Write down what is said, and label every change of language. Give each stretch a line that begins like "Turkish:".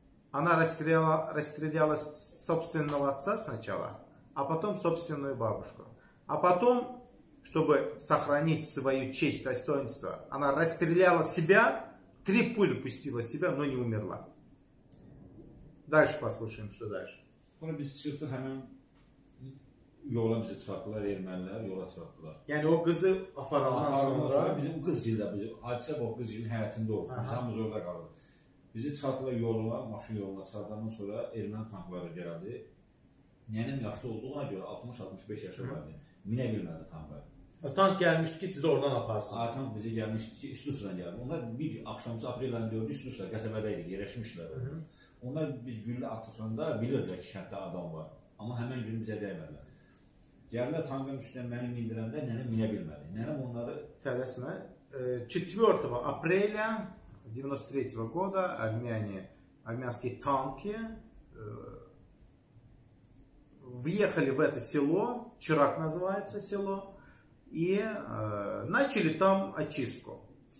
Russian: Она расстреляла собственного отца сначала, а потом собственную бабушку. А потом, чтобы сохранить свою честь, достоинство, она расстреляла себя, 3 пули пустила себя, но не умерла. Дальше послушаем, что дальше. Он без чего-то хамен.
Azerbaijani: Yola bizi çıxartdılar, ermənilər yola çıxartdılar. Yəni o qızı aparandan sonra bizim qız gildə, bizim hadisə o qız gildə həyətində olub, biz hamımız orada qaldıq. Bizi çıxartdılar yola, maşın yoluna çıxartdıqdan sonra erməni tankları gəldi. Nənəm yaxşı olduğuna görə 60-65 yaşı vardı, minə bilmədi tankı. Tank gəlmişdi ki, sizi oradan aparsın. Tank bizi gəlmişdi ki, üst üstlə gəldi. Onlar bir axşamcı aprel ayında gördü, üst üstlə qəsəbədə yerləşmişlər. Onlar biz güllə atışanda bilirdilər ki, kənddə adam var. Amma həmin gün bizə dəymədilər. Gəldilər tankın üstündən məni mindirəndə nənəm minə bilmədi. Nənəm onları tələsmə.
Russian: 4 aprelya 93-го года армянские танки въехали в это село, Чирак называется село, и начали там очистку.